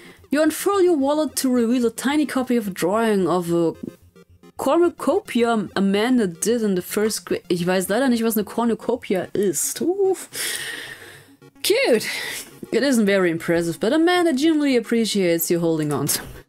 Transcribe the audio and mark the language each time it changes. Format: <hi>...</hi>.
<en>You unfurl your wallet to reveal a tiny copy of a drawing of a cornucopia Amanda did in the first grade.</en> <de>Ich weiß leider nicht, was eine Cornucopia ist.</de> <en>Oof. Cute! It isn't very impressive, but Amanda genuinely appreciates you holding on to.</en>